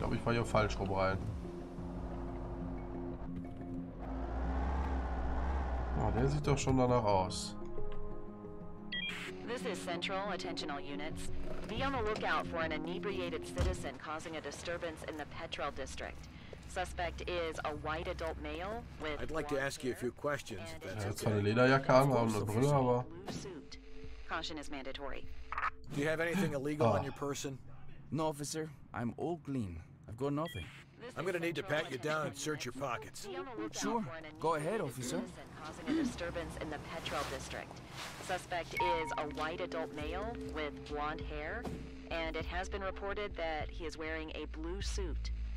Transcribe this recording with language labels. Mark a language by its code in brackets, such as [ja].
[de] Hier falsch rum rein. Oh, der sieht doch schon danach aus. [en] This is Central, attention all units. Be on the lookout for an inebriated citizen causing a disturbance in the Petrel district. Suspect is a white adult male with. I'd like to ask you a few questions. [de] Er hat zwar eine Lederjacke an, aber eine Brille, aber. [en] Caution is mandatory. Do you have anything illegal on your person? No, officer. I'm all clean. I've got nothing. I'm gonna need to pat you down and search your pockets. Sure. Go ahead, officer. Causing a disturbance in the Petrel district. Suspect is a white adult male with blonde hair, and it has been reported that he is wearing a blue suit.